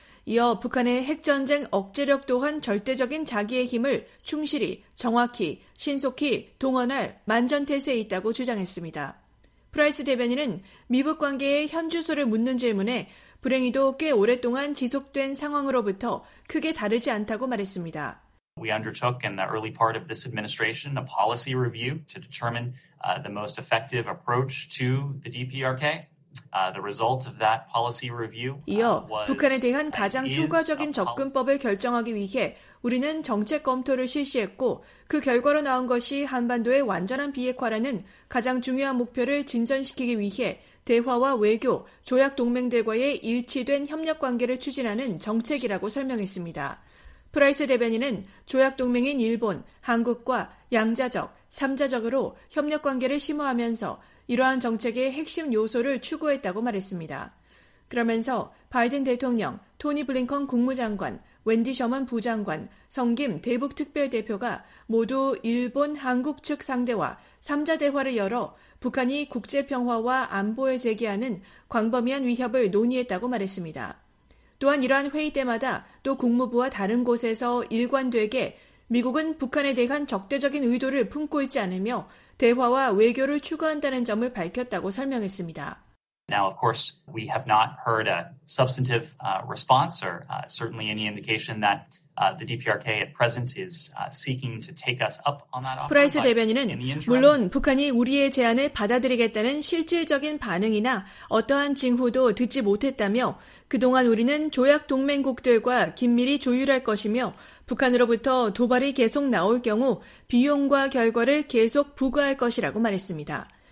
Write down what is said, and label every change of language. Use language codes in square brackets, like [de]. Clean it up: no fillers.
[ko] 이어 북한의 핵전쟁 억제력 또한 절대적인 자기의 힘을 충실히, 정확히, 신속히 동원할 만전태세에 있다고 주장했습니다. 프라이스 대변인은 미북 관계의 현주소를 묻는 질문에 불행히도 꽤 오랫동안 지속된 상황으로부터 크게 다르지 않다고 말했습니다. [en] We undertook in the early part of this administration a policy review to determine the most effective approach to the DPRK. The result of that policy review was [ko] 이어 북한에 대한 가장 효과적인 접근법을 결정하기 위해 우리는 정책 검토를 실시했고 그 결과로 나온 것이 한반도의 완전한 비핵화라는 가장 중요한 목표를 진전시키기 위해 대화와 외교, 조약 동맹들과의 일치된 협력 관계를 추진하는 정책이라고 설명했습니다. 프라이스 대변인은 조약 동맹인 일본, 한국과 양자적, 삼자적으로 협력 관계를 심화하면서 이러한 정책의 핵심 요소를 추구했다고 말했습니다. 그러면서 바이든 대통령, 토니 블링컨 국무장관, 웬디 셔먼 부장관, 성 김 대북특별대표가 모두 일본, 한국 측 상대와 3자 대화를 열어 북한이 국제평화와 안보에 제기하는 광범위한 위협을 논의했다고 말했습니다. 또한 이러한 회의 때마다 또 국무부와 다른 곳에서 일관되게 미국은 북한에 대한 적대적인 의도를 품고 있지 않으며 대화와 외교를 추구한다는 점을 밝혔다고 설명했습니다. [en] Now, of course, we have not heard a substantive response or certainly any indication that the DPRK at present is seeking to take us up on that offer. [ko] 프라이스 대변인은 물론 북한이 우리의 제안을 받아들이겠다는 실질적인 반응이나 어떠한 징후도 듣지 못했다며 그동안 우리는 조약 동맹국들과 긴밀히 조율할 것이며 북한으로부터 도발이 계속 나올 경우 비용과 결과를 계속 부과할 것이라고 말했습니다.